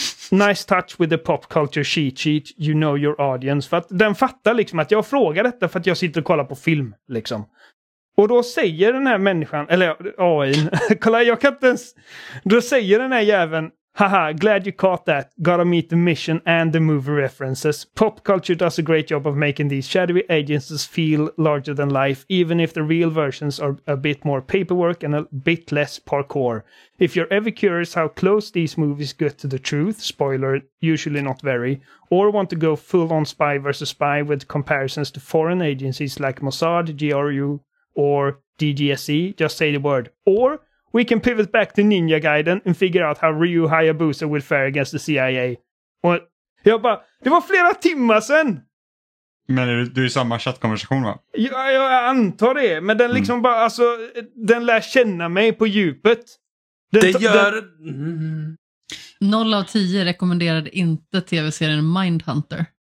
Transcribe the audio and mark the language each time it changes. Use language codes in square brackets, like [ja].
[en] Nice touch with the pop culture cheat sheet, you know your audience. [sv] För att den fattar liksom att jag frågar detta för att jag sitter och kollar på film, liksom. Och då säger den här människan, eller AI, kolla, jag kan inte ens, då säger den här jäveln, [en] haha, glad you caught that, gotta meet the mission and the movie references. Pop culture does a great job of making these shadowy agencies feel larger than life, even if the real versions are a bit more paperwork and a bit less parkour. If you're ever curious how close these movies get to the truth, spoiler, usually not very, or want to go full on spy versus spy with comparisons to foreign agencies like Mossad, GRU, or DGSE, just say the word. Or we can pivot back to Ninja Gaiden and figure out how Ryu Hayabusa would fare against the CIA. What? [sv] Jag bara, det var flera timmar sen! Men du är i samma chattkonversation, va? Ja, jag antar det, men den liksom bara, alltså, den lär känna mig på djupet. Den 0 av 10 rekommenderade inte tv-serien Mindhunter.